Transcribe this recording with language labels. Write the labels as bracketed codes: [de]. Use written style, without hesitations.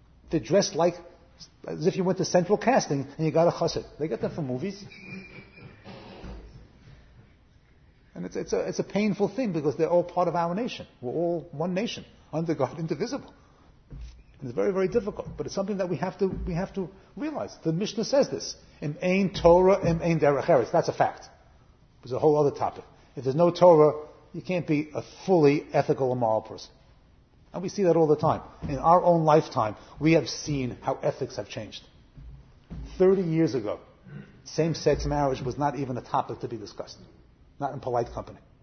[en] They're dressed like as if you went to Central Casting and you got a chassid. They get that from movies. And it's a painful thing because they're all part of our nation. We're all one nation, under God, indivisible. And it's very, very difficult. But it's something that we have to realize. The Mishnah says this. [he] Im ein Torah, im ein derech eretz. [en] That's a fact. It's a whole other topic. If there's no Torah, you can't be a fully ethical and moral person. And we see that all the time. In our own lifetime, we have seen how ethics have changed. 30 years ago, same-sex marriage was not even a topic to be discussed. Not in polite company.